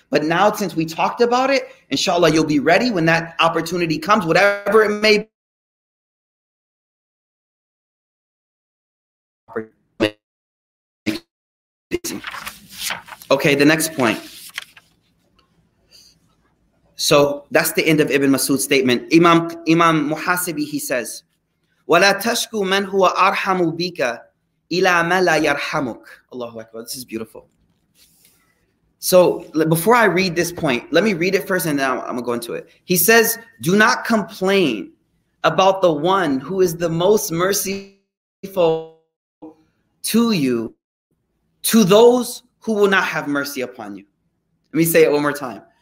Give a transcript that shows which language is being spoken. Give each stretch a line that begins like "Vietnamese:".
English: But now, since we talked about it, inshallah, you'll be ready when that opportunity comes, whatever it may be. Okay, the next point. So that's the end of Ibn Mas'ud's statement. Imam Muhasibi, he says,
Arabic: وَلَا تَشْكُوا مَنْ هُوَ أَرْحَمُ بِكَ إِلَى مَا لَا يَرْحَمُكَ.
English: Allahu Akbar, this is beautiful. So before I read this point, let me read it first and then I'm going to go into it. He says, do not complain about the one who is the most merciful to you, to those who will not have mercy upon you. Let me say it one more time.